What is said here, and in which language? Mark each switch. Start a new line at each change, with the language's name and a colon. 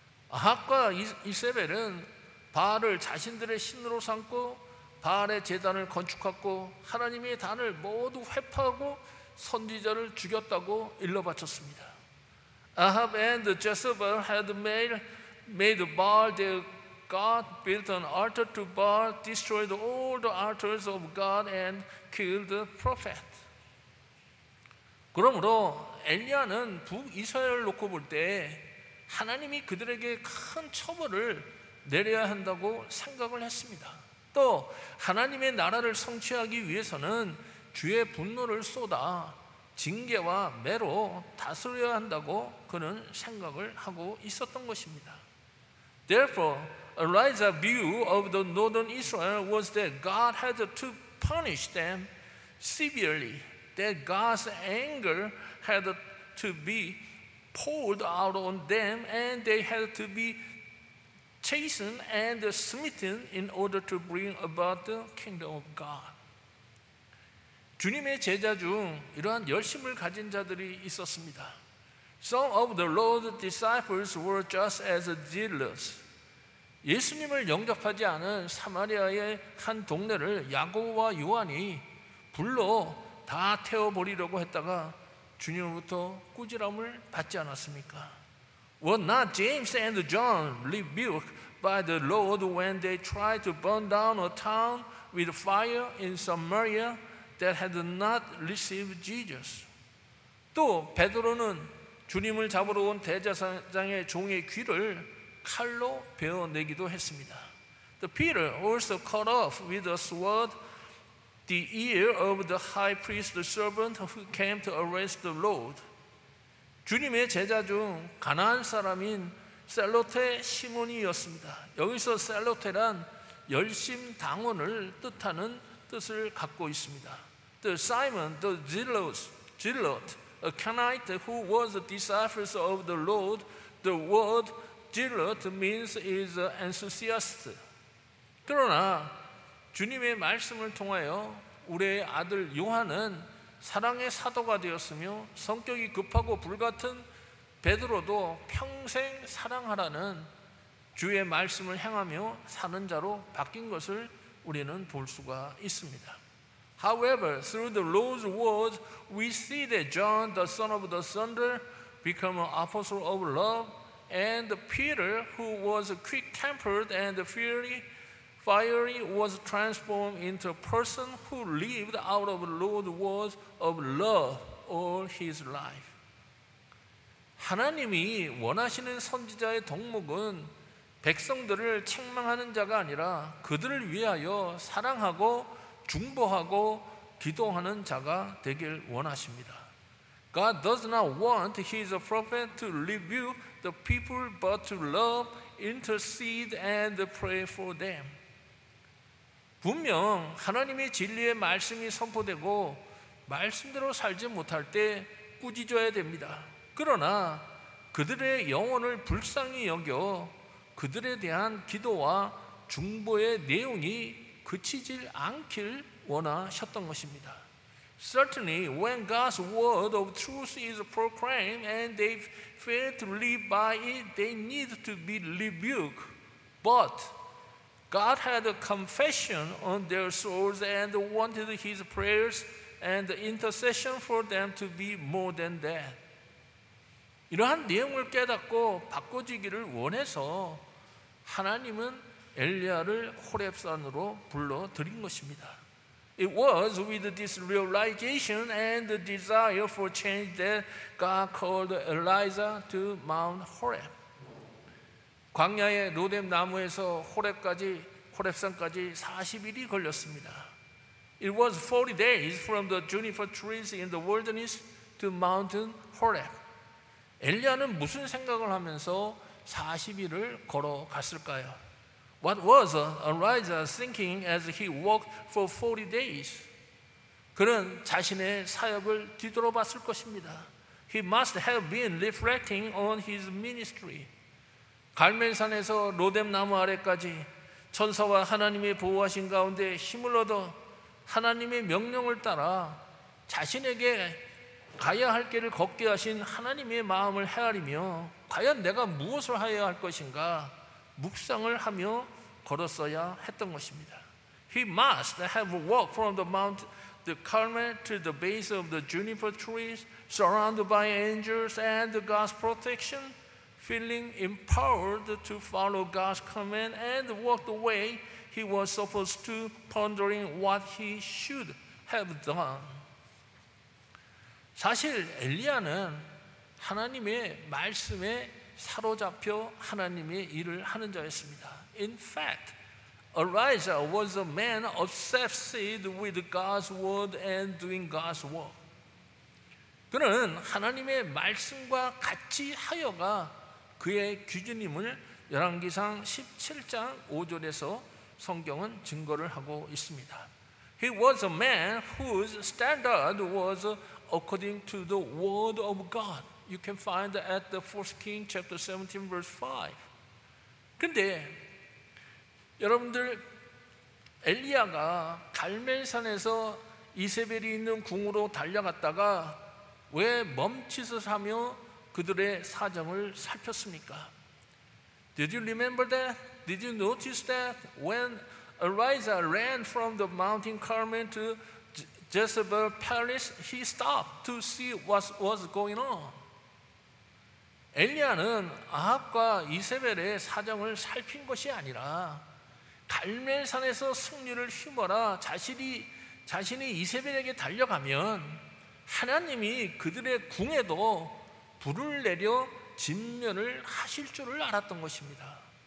Korean: 아합과 이세벨은 바알을 자신들의 신으로 삼고 바알의 제단을 건축했고 하나님의 단을 모두 훼파하고 선지자를 죽였다고 일러바쳤습니다.
English: Ahab and Jezebel had made Baal their god, built an altar to Baal, destroyed all the altars of God, and killed the prophet.
Korean: 그러므로 엘리야는 북이스라엘을 놓고 볼 때 하나님이 그들에게 큰 처벌을 내려야 한다고 생각을 했습니다. 또 하나님의 나라를 성취하기 위해서는 주의 분노를 쏟아 징계와 매로 다스려야 한다고 그는 생각을 하고 있었던 것입니다.
English: Therefore, Elijah's view of the northern Israel was that God had to punish them severely, that God's anger had to be poured out on them, and they had to be chastened and smitten in order to bring about the kingdom of God.
Korean: 주님의 제자 중 이러한 열심을 가진 자들이 있었습니다.
English: Some of the Lord's disciples were just as zealous.
Korean: 예수님을 영접하지 않은 사마리아의 한 동네를 야고보와 요한이 불로 다 태워버리려고 했다가 주님으로부터 꾸지람을 받지 않았습니까?
English: Were not James and John rebuked by the Lord when they tried to burn down a town with fire in Samaria that had not received Jesus?
Korean: 또 베드로는 주님을 잡으러 온 대제사장의 종의 귀를 칼로 베어내기도 했습니다.
English: The Peter also cut off with a sword the ear of the high priest's servant who came to arrest the Lord.
Korean: 주님의 제자 중 가나안 사람인 셀로테 시몬이었습니다. 여기서 셀로테란 열심 당원을 뜻하는 뜻을 갖고 있습니다.
English: The Simon, the zealot, a Canaanite who was a disciple of the Lord, the word zealot means is an enthusiast.
Korean: 그러나 주님의 말씀을 통하여 우리의 아들 요한은 사랑의 사도가 되었으며 성격이 급하고 불같은 베드로도 평생 사랑하라는 주의 말씀을 향하며 사는 자로 바뀐 것을 우리는 볼 수가 있습니다.
English: However, through the Lord's words, we see that John, the son of the thunder, became an apostle of love, and Peter, who was quick-tempered and fiery, was transformed into a person who lived out of the Lord's words of love all his life.
Korean: 하나님이 원하시는 선지자의 덕목은 백성들을 책망하는 자가 아니라 그들을 위하여 사랑하고 중보하고 기도하는 자가 되길 원하십니다.
English: God does not want his prophet to rebuke the people but to love, intercede and pray for them.
Korean: 분명 하나님의 진리의 말씀이 선포되고 말씀대로 살지 못할 때 꾸짖어야 됩니다. 그러나 그들의 영혼을 불쌍히 여겨 그들에 대한 기도와 중보의 내용이 그치질 않길 원하셨던 것입니다.
English: Certainly, when God's word of truth is proclaimed and they fail to live by it, they need to be rebuked. But God had a compassion on their souls and wanted his prayers and intercession for them to be more than that.
Korean: 이러한 내용을 깨닫고 바꿔지기를 원해서 하나님은 엘리야를 호렙산으로 불러들인 것입니다.
English: It was with this realization and the desire for change that God called Elijah to Mount Horeb.
Korean: 광야의 로뎀 나무에서 호렙산까지 40일이 걸렸습니다.
English: It was 40 days from the juniper trees in the wilderness to Mount Horeb.
Korean: 엘리야는 무슨 생각을 하면서 40일을 걸어갔을까요?
English: What was Elijah thinking as he walked for 40 days?
Korean: 그는 자신의 사역을 뒤돌아봤을 것입니다.
English: He must have been reflecting on his ministry.
Korean: 갈멜산에서 로뎀 나무 아래까지 천사와 하나님의 보호하신 가운데 힘을 얻어 하나님의 명령을 따라 자신에게 가야 할 길을 걷게 하신 하나님의 마음을 헤아리며 과연 내가 무엇을 해야 할 것인가 묵상을 하며 걸었어야 했던 것입니다.
English: He must have walked from the Mount the Carmel to the base of the juniper trees, surrounded by angels and God's protection, feeling empowered to follow God's command and walk the way he was supposed to, pondering what he should have done.
Korean: 사실 엘리야는 하나님의 말씀에 사로잡혀 하나님의 일을 하는 자였습니다.
English: In fact, Elijah was a man obsessed with God's word and doing God's work.
Korean: 그는 하나님의 말씀과 같이 하여가 그의 기준임을 열왕기상 17장 5절에서 성경은 증거를 하고 있습니다.
English: He was a man whose standard was according to the word of God. You can find at the 1 Kings chapter 17 verse 5.
Korean: 근데 여러분들 엘리야가 갈멜산에서 이세벨이 있는 궁으로 달려갔다가 왜 멈칫을 하며 그들의 사정을 살폈습니까?
English: Did you remember that? Did you notice that? When Elijah ran from the mountain Carmel to Jezebel's palace, he stopped to see what was going on.
Korean: 엘리야는 아합과 이세벨의 사정을 살핀 것이 아니라 갈멜산에서 승리를 휘몰아 자신이 이세벨에게 달려가면 하나님이 그들의 궁에도 불을 내려 진멸을 하실 줄을 알았던 것입니다.